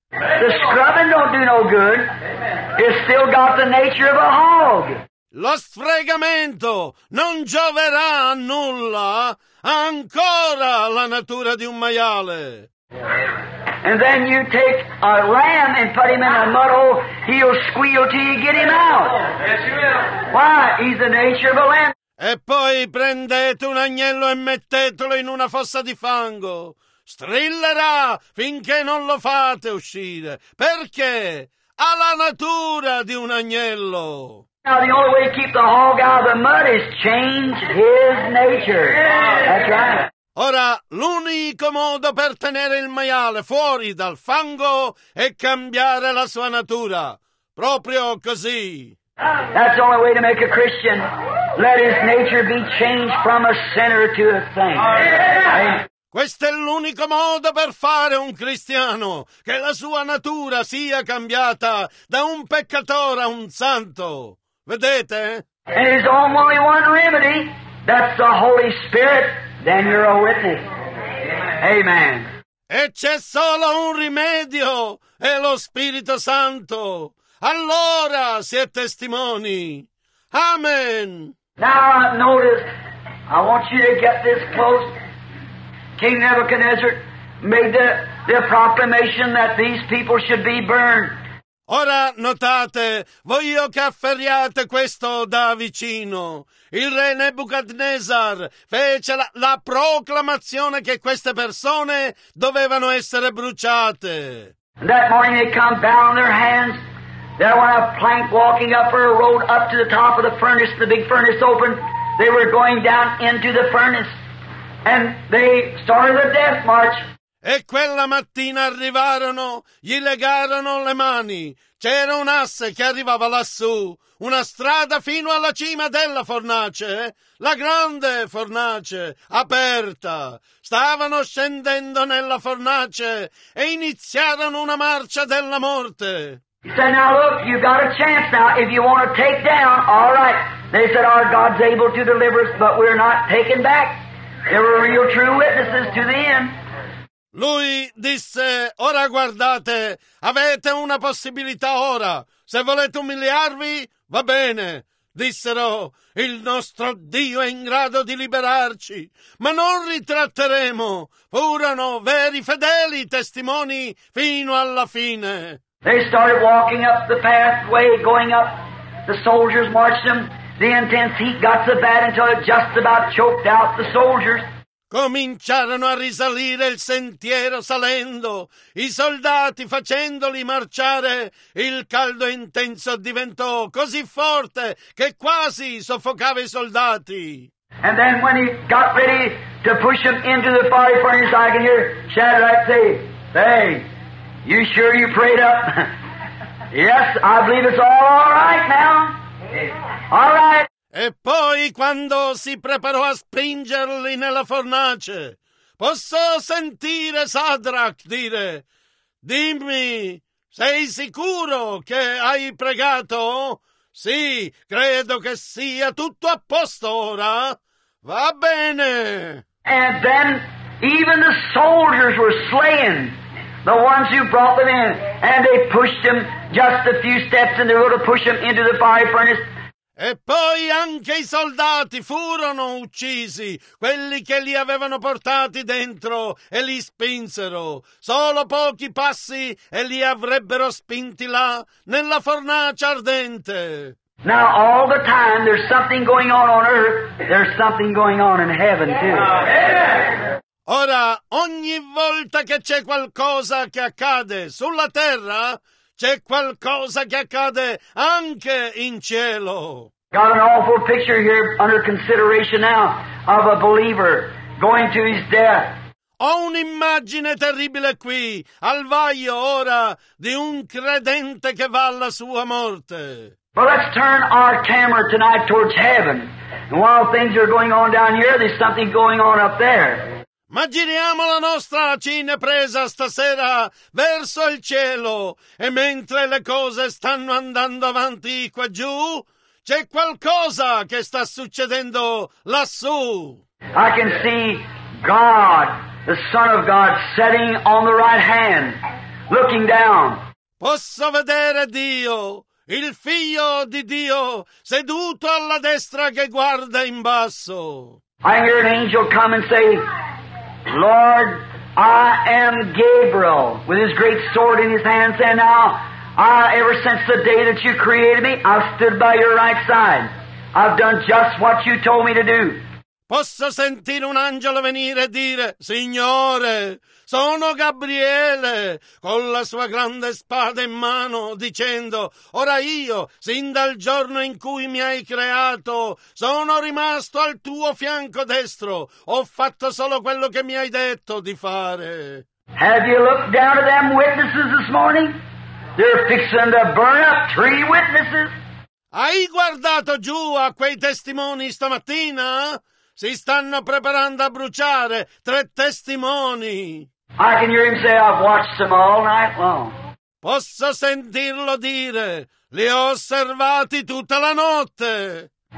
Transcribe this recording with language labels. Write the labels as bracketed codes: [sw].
[en] The scrubbing don't do no good. It's still got the nature of a hog. [it] Lo sfregamento non gioverà a nulla, ha ancora la natura di un maiale. [en] And then you take a ram and put him in a mud hole, he'll squeal till you get him out. Yes, you will. Why? He's the nature of a lamb. [it] E poi prendete un agnello e mettetelo in una fossa di fango. strillerà finché non lo fate uscire, perché ha la natura di un agnello. [en] Now, the only way to keep the hog out of the mud is change his nature. That's right. [it] Ora, l'unico modo per tenere il maiale fuori dal fango è cambiare la sua natura. Proprio così. [en] That's the only way to make a Christian. Let his nature be changed from a sinner to a saint. [it] Questo è l'unico modo per fare un cristiano, che la sua natura sia cambiata da un peccatore a un santo. Vedete? [en] And there's only one remedy. That's the Holy Spirit. Then you're a witness. Amen. [it] E c'è solo un rimedio. È lo Spirito Santo. Allora si è testimoni. Amen. [en] Now notice, I want you to get this close. King Nebuchadnezzar made the proclamation that these people should be burned. [it] Ora notate, voglio che afferriate questo da vicino. Il re Nebuchadnezzar fece la proclamazione che queste persone dovevano essere bruciate. [en] That morning they come bowing their hands. There went a plank walking up or a road up to the top of the furnace, the big furnace opened. They were going down into the furnace. And they started a death march. [it] E quella mattina arrivarono, gli legarono le mani. C'era un asse che arrivava lassù, una strada fino alla cima della fornace, la grande fornace, aperta. Stavano scendendo nella fornace e iniziarono una marcia della morte. [en] He said, now look, you've got a chance now. If you want to take down, all right. They said, our God's able to deliver us, but we're not taken back. There were real true witnesses to the end. [it] Lui disse, ora guardate, avete una possibilità ora, se volete umiliarvi, va bene. Dissero, il nostro Dio è in grado di liberarci, ma non ritratteremo. Furono veri fedeli testimoni fino alla fine. [en] They started walking up the pathway, going up, the soldiers watched them, the intense heat got so bad until it just about choked out the soldiers. [it] Cominciarono a risalire il sentiero salendo, i soldati facendoli marciare, il caldo intenso diventò così forte che quasi soffocava i soldati. [en] And then when he got ready to push him into the fiery furnace, I can hear Shadrach say, hey, you sure you prayed up? Yes, I believe it's all right now. All right. [it] E poi quando si preparò a spingerli nella fornace, posso sentire Sadrach dire, dimmi, sei sicuro che hai pregato? Sì, credo che sia tutto a posto ora. Va bene. [en] And then even the soldiers were slain, the ones who brought them in, and they pushed them just a few steps and they were to push them into the fire furnace. [it] E poi anche i soldati furono uccisi, quelli che li avevano portati dentro e li spinsero. Solo pochi passi e li avrebbero spinti là, nella fornace ardente. [en] Now all the time there's something going on earth, there's something going on heaven too. [it] Ora, ogni volta che c'è qualcosa che accade sulla terra, c'è qualcosa che accade anche in cielo. [en] Got an awful picture here under consideration now of a believer going to his death. [it] Ho un'immagine terribile qui, al vaglio ora, di un credente che va alla sua morte. [en] But let's turn our camera tonight towards heaven. And while things are going on down here, there's something going on up there. [it] Ma giriamo la nostra cinepresa stasera verso il cielo e mentre le cose stanno andando avanti qua giù, c'è qualcosa che sta succedendo lassù. [en] I can see God, the Son of God, sitting on the right hand, looking down. [it] Posso vedere Dio, il Figlio di Dio, seduto alla destra che guarda in basso. [en] I hear an angel come and say, Lord, I am Gabriel, with his great sword in his hand, saying, now, ever since the day that you created me, I've stood by your right side. I've done just what you told me to do. [it] possa sentire un angelo venire e dire: Signore, sono Gabriele, con la sua grande spada in mano, dicendo: ora io, sin dal giorno in cui mi hai creato, sono rimasto al tuo fianco destro, ho fatto solo quello che mi hai detto di fare. [en] Have you looked down at them witnesses this morning? They're fixing to burn up three witnesses. [it] Hai guardato giù a quei testimoni stamattina? Si stanno preparando a bruciare tre testimoni. [en] I can hear him say, I've watched them all night long. [it] Posso sentirlo dire, li ho osservati tutta la notte.